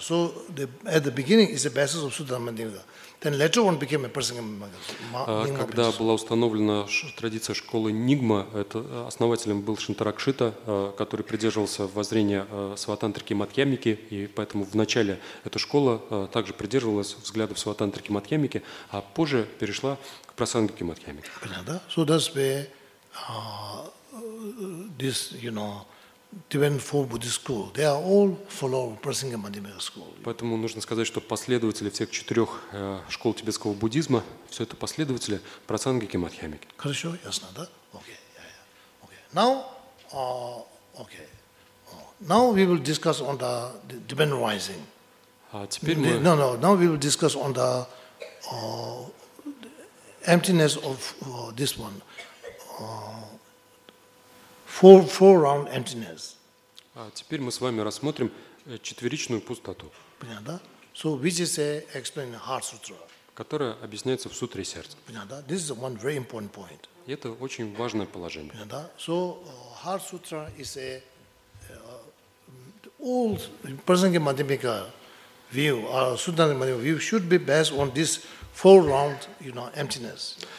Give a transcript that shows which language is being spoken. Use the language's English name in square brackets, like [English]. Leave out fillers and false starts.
[English] So at the beginning is the basis of Sutantrika Madhyamika. Then later on became a Prasangika Madhyamika. [Russian] Когда была установлена традиция школы Нигма, это основателем был Шантаракшита, который придерживался воззрения Сватантрики Мадхьямики, и поэтому в начале эта школа также придерживалась взглядов Сватантрики Мадхьямики, а позже перешла к Прасангике Мадхьямики. Понятно? [English] So that's where this, you know, Tibetan four Buddhist school. They are all follow Prasangika Madhyamika school. [Russian] Поэтому нужно сказать, что последователи всех четырех школ тибетского буддизма, все это последователи Прасангики Мадхьямики. Хорошо, ясно, да? [English] Okay, yeah, yeah. Okay. Now, now we will discuss on the Tibetan rising. [Russian] А теперь мы. [English] No. Now we will discuss on the emptiness of this one. Four round emptiness. [Russian] А теперь мы с вами рассмотрим четверичную пустоту. Понятно? [English] So which is explained in Heart Sutra. [Russian] Которая объясняется в Сутре Сердца. Понятно? [English] This is one very important point. [Russian] И это очень важное положение. Понятно? [English] So Heart Sutra is a old Prasangika Madhyamika view, Sutantrika Madhyamika view should be based on this four round, you know, emptiness.